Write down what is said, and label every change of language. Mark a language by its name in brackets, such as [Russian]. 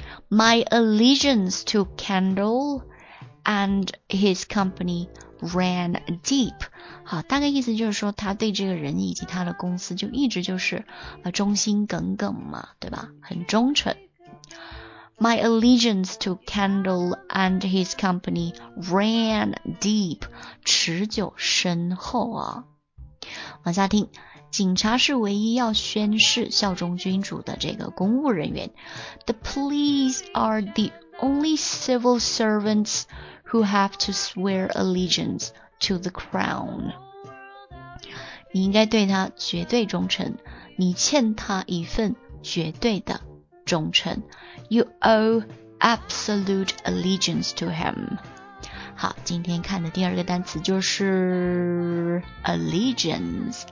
[English] My allegiance to Kendall and his company ran deep。 [Chinese] 好，大概意思就是说他对这个人以及他的公司就一直就是忠心耿耿嘛，对吧，很忠诚。 [English] My allegiance to Kendall and his company ran deep， [Chinese] 持久深厚啊。往下听，警察是唯一要宣誓效忠君主的这个公务人员。 [English] The police are the only civil servantsWho have to swear allegiance to the crown. [Chinese] 你应该对他绝对忠诚，你欠他一份绝对的忠诚。 [English] You owe absolute allegiance to him. [Chinese] 好，今天看的第二个单词就是 allegiance.